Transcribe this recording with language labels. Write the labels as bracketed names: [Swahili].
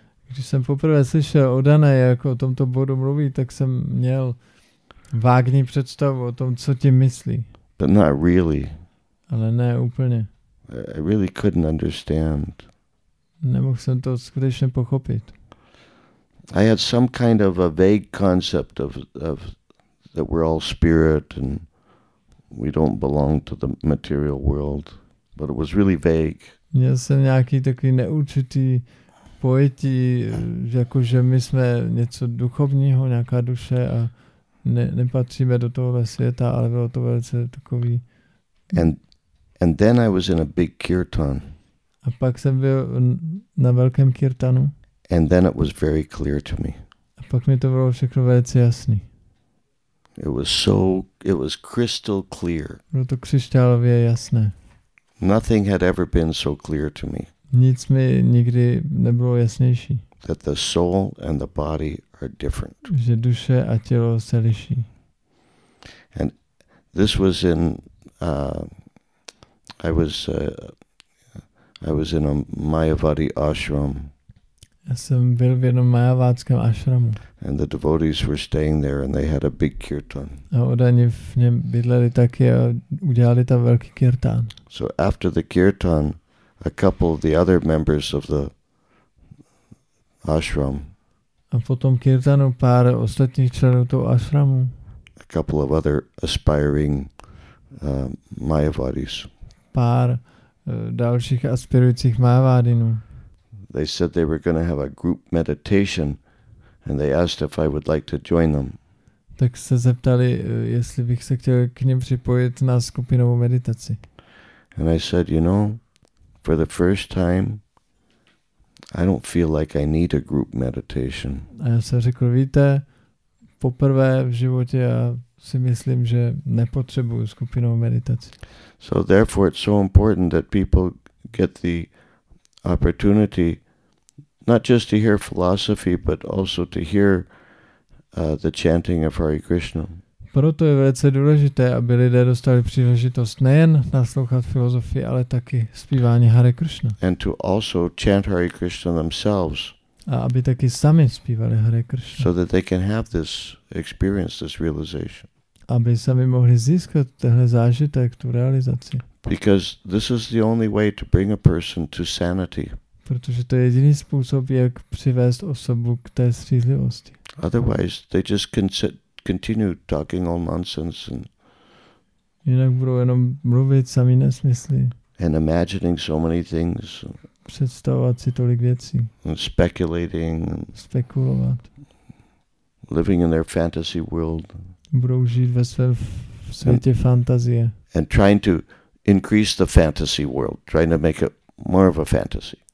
[Czech] Když jsem poprvé slyšel o Dané, jak o tomto bodu mluví, tak jsem měl vágní představu o tom, co tím myslí. [English] But not really. [Czech] Ale ne úplně. [English] I really couldn't understand. [Czech] Nemohl jsem to skutečně pochopit. [English] I had some kind of a vague concept of that we're all spirit and we don't belong to the material world. But it was really vague. [Czech] Měl jsem nějaký takový neurčitý pojetí, jakože my jsme něco duchovního, nějaká duše a nepatříme do tohohle světa, ale bylo to velice takový. [English] And then I was in a big kirtan. [Czech] A pak jsem byl na velkém kirtanu. [English] And then it was very clear to me. [Czech] A pak mi to bylo všechno velice jasný. [English] It was crystal clear. [Czech] Bylo to křišťálově jasné. [English] Nothing had ever been so clear to me. [Czech] Nic mi nikdy nebylo jasnější. [English] That the soul and the body are different. [Czech] Že duše a tělo se liší. [English] And this was in I was in a Mayavadi ashram. [Czech] Já jsem byl v jednom mayavádském ashramu. [English] And the devotees were staying there and they had a big kirtan. [Czech] A oni v něm bydleli taky a udělali tam velký kirtan. [English] So after the kirtan, a couple of the other members of the ashram. [Czech] A potom kirtanu pár ostatních členů toho ashramu. [English] A couple of other aspiring mayavadis. [Czech] Pár dalších aspirujících mayavadinů. [English] They said they were going to have a group meditation and they asked if I would like to join them. [Czech] Tak se zeptali, jestli bych se chtěl k ním připojit na skupinovou meditaci. [English] And I said, you know, for the first time, I don't feel like I need a group meditation. [Czech] A já jsem řekl, víte, poprvé v životě já si myslím, že nepotřebuji skupinovou meditaci. [English] So therefore it's so important that people get the opportunity not just to hear philosophy but also to hear the chanting of Hare Krishna. [Czech] Proto je velice důležité, aby lidé dostali příležitost nejen naslouchat filozofii, ale taky zpívání Hare Krishna. [English] And to also chant Hare Krishna themselves. [Czech] A aby taky sami zpívali Hare Krishna. [English] So that they can have this experience, this realization. [Czech] Aby sami mohli získat tenhle zážitek, tu realizaci. [English] Because this is the only way to bring a person to sanity. [Czech] Protože to je jediný způsob, jak přivést osobu k té střízlivosti. [English] Otherwise, they just continue talking all nonsense and. [Czech] Jinak budou jenom mluvit sami nesmysly. [English] And imagining so many things. [Czech] Představovat si tolik věcí. [English] And speculating. [Czech] Spekulovat. [English] Living in their fantasy world. [Czech] Budou žít ve svém světě fantazie. [English] And trying to increase the fantasy world, trying to make it more of a fantasy.